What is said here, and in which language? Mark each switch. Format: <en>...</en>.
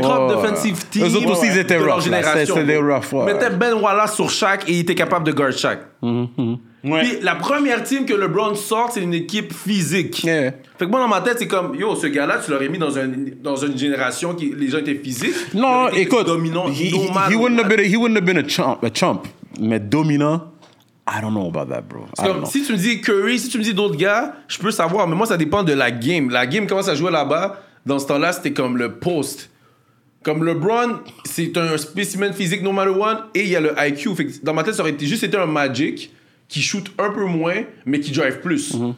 <en>Top defensive team.</en> <fr>Eux autres aussi, ils étaient rough. C'était des rough. Ils mettaient Ben Wallace sur Shaq et ils étaient capables de guard Shaq. Ouais. Puis la première team que LeBron sort, c'est une équipe physique. Ouais. Fait que moi, dans ma tête, c'est comme, yo, ce gars-là, tu l'aurais mis dans une génération qui les gens étaient physiques. Non, écoute, dominant,</fr> <en>he wouldn't have been a chump,</en> <fr>mais dominant,</fr> <en>I don't know about that, bro.</en> <fr>Si tu me dis Curry, si tu me dis d'autres gars, je peux savoir, mais moi, ça dépend de la game. La game commence à jouer là-bas. Dans ce temps-là, c'était comme le post. Comme LeBron, c'est un spécimen physique,</fr> <en>no matter what,</en> <fr>et il y a le IQ. Fait que dans ma tête, ça aurait été juste un Magic qui shoot un peu moins, mais qui drive plus. Mm-hmm.</fr>